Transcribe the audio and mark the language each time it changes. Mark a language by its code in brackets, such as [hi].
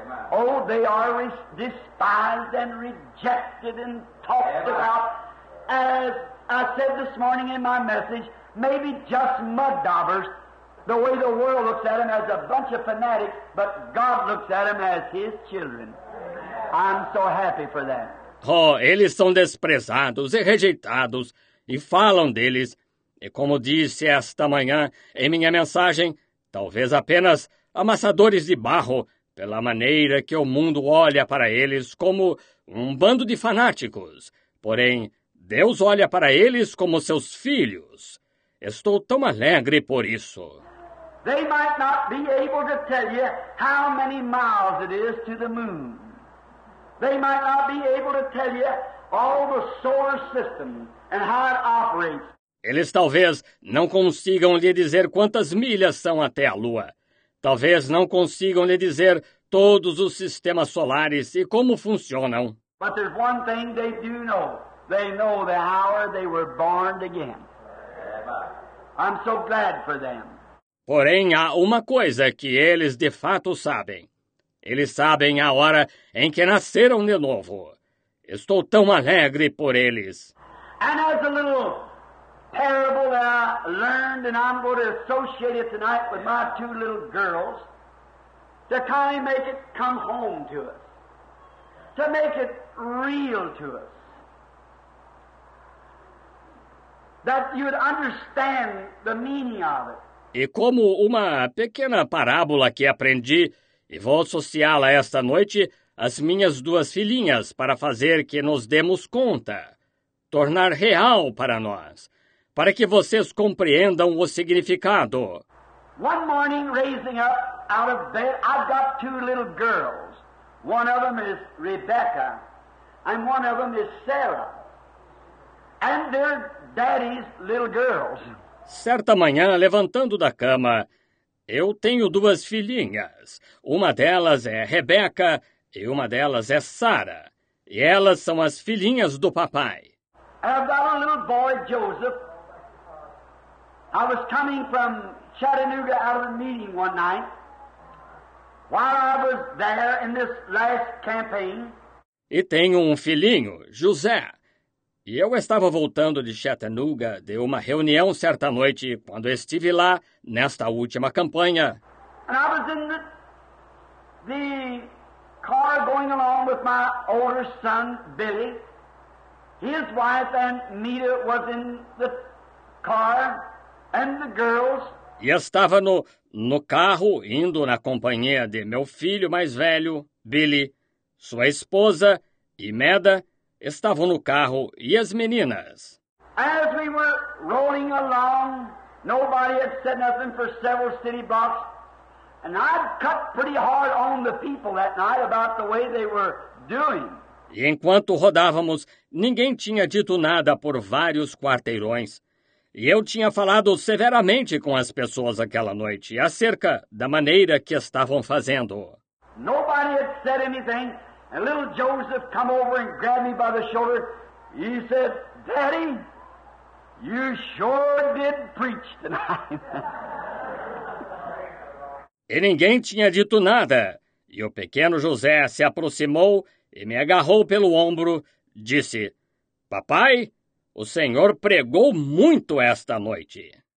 [en] Oh, they are despised and rejected and talked about. As I said this morning in my message, maybe just mud daubers, the way the world looks at them as a bunch of fanatics, but God looks at them as His children. I'm so happy for that. [pt] Oh, eles são desprezados e rejeitados, e falam deles. E como disse esta manhã em minha mensagem, talvez apenas amassadores de barro, pela maneira que o mundo olha para eles como um bando de fanáticos. Porém, Deus olha para eles como seus filhos. Estou tão alegre por isso. [en] They might not be able to tell you how many miles it is to the moon. They might not be able to tell you all the solar system and how it operates. [pt] Eles talvez não consigam lhe dizer quantas milhas são até a Lua. Talvez não consigam lhe dizer todos os sistemas solares e como funcionam. [en] But there's one thing they do know. They know the hour they were born again. I'm so glad for them. [pt] Porém, há uma coisa que eles de fato sabem. Eles sabem a hora em que nasceram de novo. Estou tão alegre por eles. [en] And as a little parable that I learned, and I'm going to associate it tonight with my two little girls, to kind of make it come home to us, to make it real to us. That you'd understand the meaning of it. [pt] E como uma pequena parábola que aprendi, e vou associá-la esta noite às minhas duas filhinhas para fazer que nos demos conta, tornar real para nós, para que vocês compreendam o significado. [en] One morning, raising up out of bed, I've got two little girls. One of them is Rebecca, and one of them is Sarah. And they're daddy's little girls. [pt] Certa manhã, levantando da cama, eu tenho duas filhinhas. Uma delas é Rebecca e uma delas é Sarah. E elas são as filhinhas do papai. [en] I've got a little boy, Joseph. I was coming from Chattanooga out of a meeting one night. While I was there in this last campaign. [pt] E tenho um filhinho, José. E eu estava voltando de Chattanooga de uma reunião certa noite quando estive lá nesta última campanha. [en] And I was in the car going along with my older son, Billy. His wife and Mita was in the car and the girls. [pt] E estava No carro, indo na companhia de meu filho mais velho, Billy, sua esposa, Imelda, estavam no carro e as meninas. [en] As we were rolling along, nobody had said nothing for several city blocks, and I'd cut pretty hard on the people that night about the way they were doing. [pt] E enquanto rodávamos, ninguém tinha dito nada por vários quarteirões. E eu tinha falado severamente com as pessoas aquela noite acerca da maneira que estavam fazendo. [en] Nobody had said anything, and little Joseph came over and grabbed me by the shoulder. He said, "Daddy, you sure did preach tonight." [pt] E ninguém tinha dito nada. E o pequeno José se aproximou e me agarrou pelo ombro, disse, "Papai, o Senhor pregou muito esta noite."